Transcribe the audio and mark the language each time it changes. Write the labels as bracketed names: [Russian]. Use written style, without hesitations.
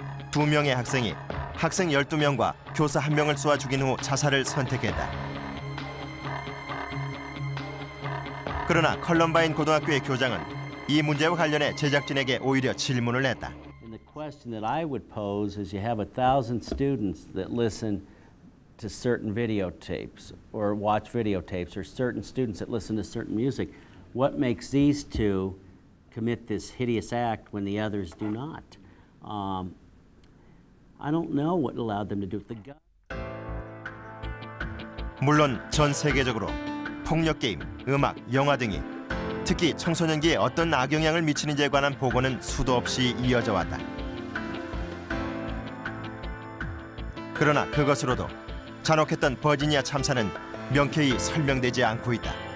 [Korean] 두 명의 학생이 학생 12명과 교사 한 명을 쏘아 죽인 후 자살을 선택했다. 그러나 컬럼바인 고등학교의 교장은 이 문제와 관련해 제작진에게 오히려 질문을 했다. [English] And the question that I would pose is you have 1,000 students that listen to certain videotapes or watch videotapes or certain students that listen to certain music. What makes these two commit this hideous act when the others do not? I don't know what allowed them to do it. The gun. [Korean] 물론 전 세계적으로 폭력 게임, 음악, 영화 등이 특히 청소년기에 어떤 악영향을 미치는지에 관한 보고는 수도 없이 이어져 왔다. 그러나 그것으로도 잔혹했던 버지니아 참사는 명쾌히 설명되지 않고 있다.